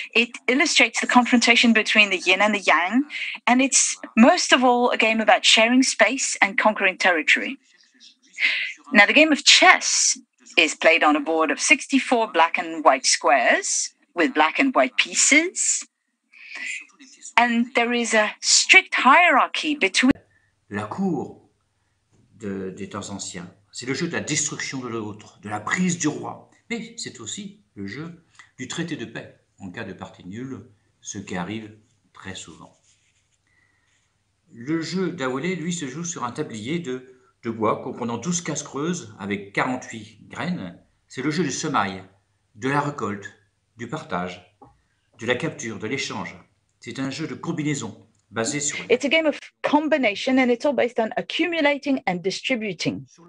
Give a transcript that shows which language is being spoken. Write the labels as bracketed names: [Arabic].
[English] It illustrates the confrontation between the yin and the yang, and it's most of all a game about sharing space and conquering territory. Now, the game of chess is played on a board of 64 black and white squares with black and white pieces, and there is a strict hierarchy between [French] la cour des temps anciens. C'est le jeu de la destruction de l'autre, de la prise du roi, mais c'est aussi le jeu du traité de paix en cas de partie nulle, ce qui arrive très souvent. Le jeu d'AWALE, lui, se joue sur un tablier de bois comprenant 12 cases creuses avec 48 graines. C'est le jeu de semailles, de la récolte, du partage, de la capture, de l'échange. C'est un jeu de combinaison basé sur... [English] It's a game of combination and it's all based on accumulating and distributing.